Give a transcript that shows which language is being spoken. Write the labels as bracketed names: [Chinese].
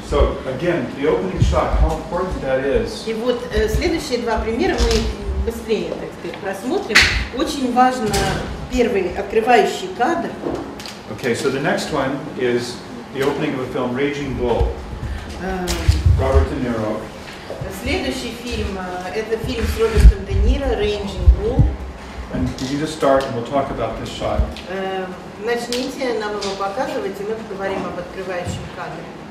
[English] So again, the opening shot, how important that is. [Russian] И вот следующие два примера мы быстрее, так сказать, просмотрим. Очень важно первый открывающий кадр. [English] Okay, so the next one is the opening of a film Raging Bull. Robert De Niro. [Russian] Следующий фильм это фильм с Робертом Де Ниро Raging Bull. [English] And you just start and we'll talk about this shot. [Russian] Начните нам его показывать, и мы поговорим об открывающем кадре.